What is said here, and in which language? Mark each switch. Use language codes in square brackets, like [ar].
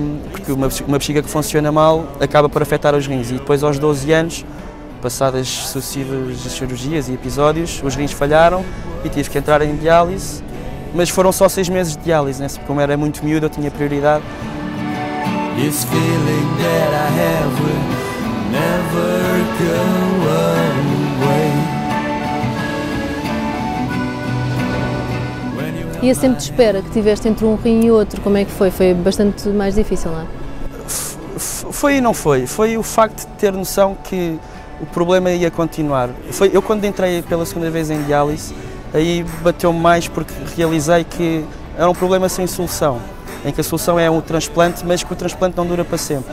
[pt] porque uma bexiga que funciona mal acaba por afetar os rins. E depois, aos 12 anos, passadas sucessivas cirurgias e episódios, os rins falharam e tive que entrar em diálise, mas foram só 6 meses de diálise, né? Como era muito miúdo, eu tinha prioridade. [en] This feeling that I have will never go away. [pt] E esse tempo de espera que tiveste entre um rim e outro, como é que foi? Foi bastante mais difícil lá? Foi e não foi. Foi o facto de ter noção que o problema ia continuar. Eu quando entrei pela segunda vez em diálise, aí bateu-me mais porque realizei que era um problema sem solução, em que a solução é o transplante, mas que o transplante não dura para sempre.